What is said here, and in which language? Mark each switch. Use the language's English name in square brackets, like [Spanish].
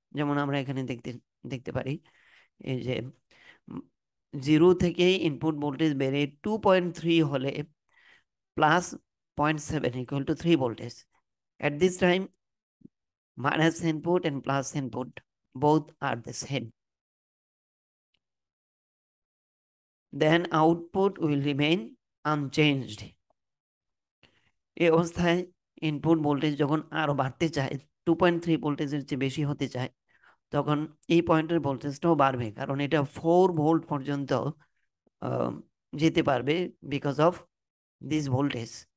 [Bangla] যেমন আমরা এখানে দেখতে পারি, এই যে জিরো থেকে ইনপুট ভোল্টেজ বেড়ে 2.3 হলে plus 0.7 equal to 3 voltage. [English] At this time minus input and plus input both are the same. Then output will remain unchanged. [Bangla] এই অবস্থায় ইনপুট ভোল্টেজ যখন আরো বাড়তে চায়, 2.3 ভোল্টেজের চেয়ে বেশি হতে চায়, তখন এই পয়েন্টের ভোল্টেজটাও বাড়বে, কারণ এটা 4 ভোল্ট পর্যন্ত যেতে পারবে [English] Because of this voltage.